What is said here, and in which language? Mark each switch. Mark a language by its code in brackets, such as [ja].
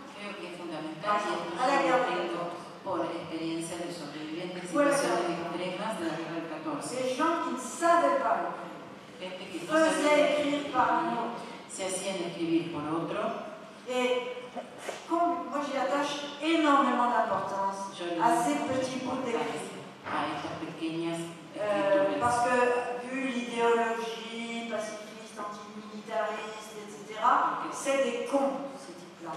[es] Creo que es fundamental y a la guerra de 14. Por experiencia de sobrevivientes en situaciones extremas de la guerra de 14. [fr] Ces gens qui ne savaient pas écrire, faisaient écrire par un autre. [es] Se hacían escribir por otro. [fr] Et moi j'y attache énormément d'importance à ces petits bouts d'écrit. [es] A estas pequeñas. [fr] Parce que vu l'idéologie pacifiste, anti-militariste, etc., c'est des cons, ces types-là.